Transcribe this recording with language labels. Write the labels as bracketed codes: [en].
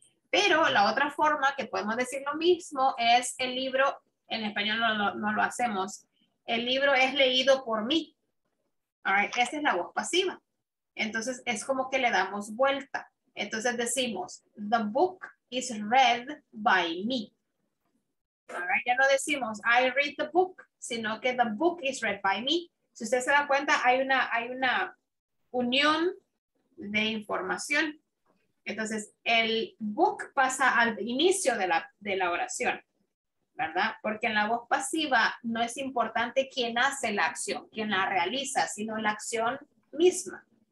[es] Pero la otra forma que podemos decir lo mismo es el libro, en español no lo hacemos, el libro es leído por mí. All right, esa es la voz pasiva. Entonces, es como que le damos vuelta. Entonces, decimos, [en] the book is read by me. All right? [es] Ya no decimos, [en] I read the book, [es] sino que [en] the book is read by me. [es] Si usted se da cuenta, hay una unión de información. Entonces, el book pasa al inicio de la oración, ¿verdad? Porque en la voz pasiva no es importante quién hace la acción, quién la realiza, sino la acción misma.